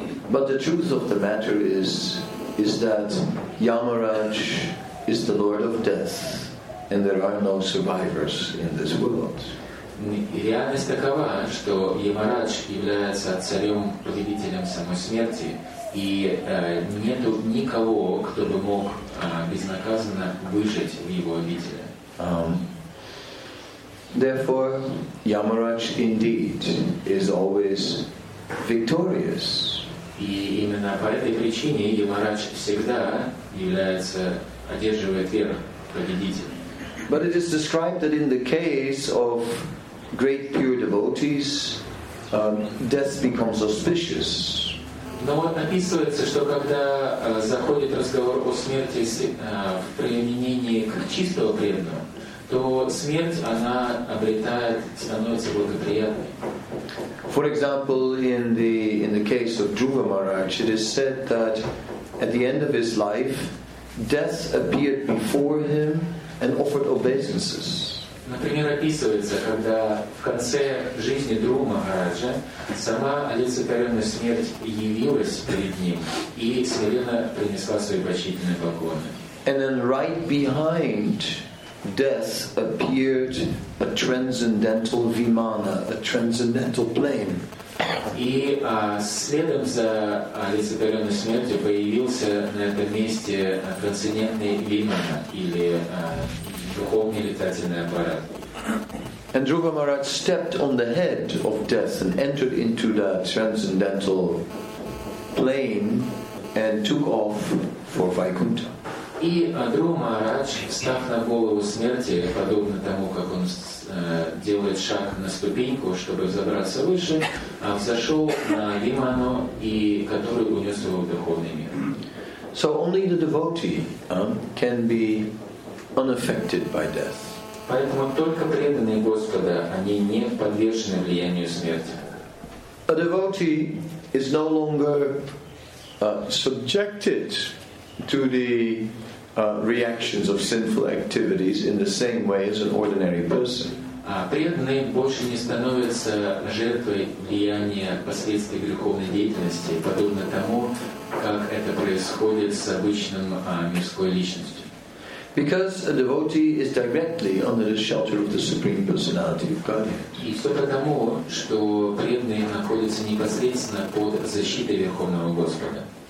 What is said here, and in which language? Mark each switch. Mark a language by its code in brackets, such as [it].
[en] But the truth of the matter is that Yamaraj is the Lord of Death, and there are no survivors in this world. [ru] Реальность такова, что Ямарадж является царем, победителем самой смерти, и нету никого, кто бы мог безнаказанно выжить в его обители. [en] Therefore, Yamaraj indeed is always victorious. [ru] И именно по этой причине Ямарадж всегда является, одерживает верх, победитель. [en] But it is described that in the case of great pure devotees, death becomes auspicious. [ru] Но вот описывается, что когда заходит разговор о смерти в применении к чистого преданного, то смерть, она обретает, становится благоприятной. [en] For example, in the case of Dhruva Maharaj, it is said that at the end of his life, death appeared before him and offered obeisances. [ru] Например, описывается, когда в конце жизни Дхрува Махараджа сама олицетворенная смерть явилась перед ним и смиренно принесла свои почтительные поклоны. [en] And then right behind death appeared a transcendental vimana, a transcendental plane. [ru] И следом за олицетворенной смертью появился на этом месте трансцендентный вимана или духовный летательный аппарат. [en] And Dhruva Maharaj stepped on the head of death and entered into the transcendental plane and took off for Vaikuntha. [ru] И Друва Махарадж, став на голову смерти, подобно тому, как он делает шаг на ступеньку, чтобы забраться выше, взошел на Виману, и который унес его в духовный мир. [en] So only the devotee can be unaffected by death. [ru] Поэтому только преданные Господа, они не подвержены влиянию смерти. [en] A devotee is no longer subjected to the reactions of sinful activities in the same way as an ordinary person. [ru] Преданные больше не становятся жертвой влияния последствий греховной деятельности, подобно тому, как это происходит с обычным мирской личностью. [en] Because a devotee is directly under the shelter of the Supreme Personality of Godhead. [ru] И все потому, что преданные находятся непосредственно под защитой Верховного Господа.